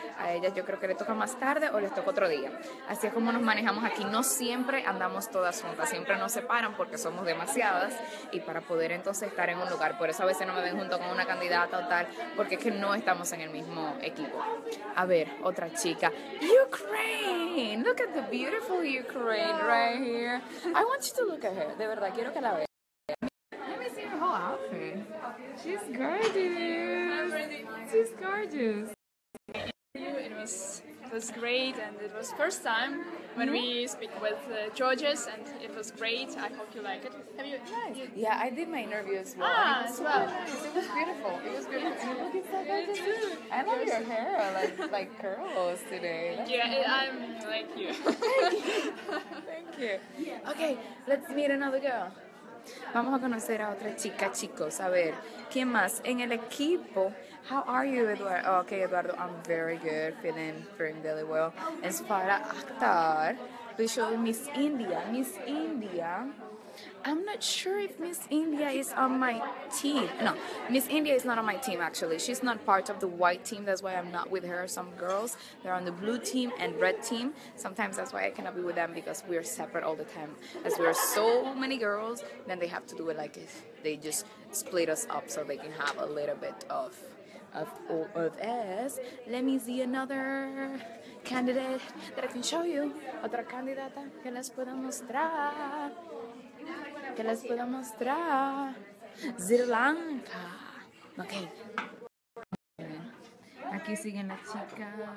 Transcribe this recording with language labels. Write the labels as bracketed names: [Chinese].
[Spanish] A ellas yo creo que les toca más tarde o les toca otro día. Así es como nos manejamos aquí. No siempre andamos todas juntas. Siempre nos separan porque somos demasiadas. Y para poder entonces estar en un lugar. Por eso a veces no me ven junto con una candidata o tal. Porque es que no estamos en el mismo equipo. A ver, otra chica. Ukraine. [English] Look at the beautiful Ukraine, right? Here. I want you to look at her. [Spanish] De verdad, quiero que la vea. [English] Let me see her whole outfit. She's gorgeous. She's gorgeous. It was great, and it was first time when we speak with judges, and it was great. I hope you like it. Have you? Nice. Yeah, I did my interview as well. Ah, it was as well. Nice. It was beautiful. It was beautiful. Look at that gorgeous. Too. I love your hair, like curls today. Yeah, I'm like you. Thank you. Okay, let's meet another girl. [Spanish] Vamos a conocer a otra chica, chicos. A ver, ¿quién más? En el equipo. [English] How are you, [Spanish] Eduardo? [English] Oh, okay, Eduardo, I'm very good. Feeling really well. [Spanish] Es para actar. [English] We show Miss India. Miss India. I'm not sure if Miss India is on my team. No, Miss India is not on my team, actually. She's not part of the white team. That's why I'm not with her. Some girls, they're on the blue team and red team. Sometimes that's why I cannot be with them because we are separate all the time. As we are so many girls, then they have to do it like if they just split us up so they can have a little bit of us. Let me see another candidate that I can show you. [Spanish] Otra candidata que les puedo mostrar. Que les puedo mostrar. Sri Lanka. Ok. Aquí siguen las chicas.